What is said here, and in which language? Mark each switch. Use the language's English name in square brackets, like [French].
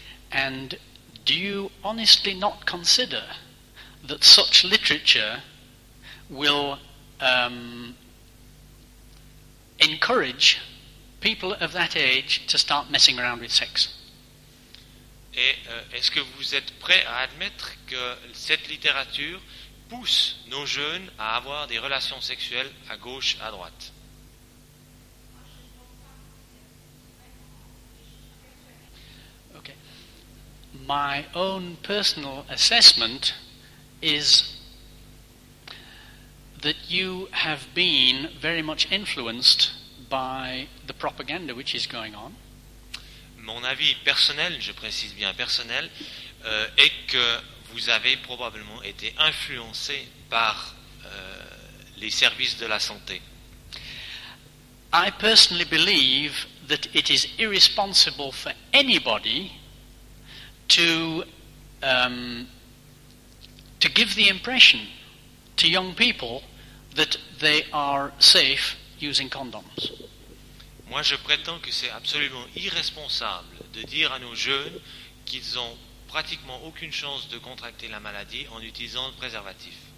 [English] And do you honestly not consider that such literature will encourage people of that age to start messing around with sex? [French] Et est-ce que vous êtes prêt à admettre que cette littérature pousse nos jeunes à avoir des relations sexuelles à gauche, à droite? [English] My own personal assessment is that you have been very much influenced by the propaganda which is going on. [French] Mon avis personnel, je précise bien personnel, est que vous avez probablement été influencé par les services de la santé. [English] I personally believe that it is irresponsible for anybody to give the impression to young people that they are safe using condoms. [French] Moi, je prétends que c'est absolument irresponsable de dire à nos jeunes qu'ils ont pratiquement aucune chance de contracter la maladie en utilisant le préservatif.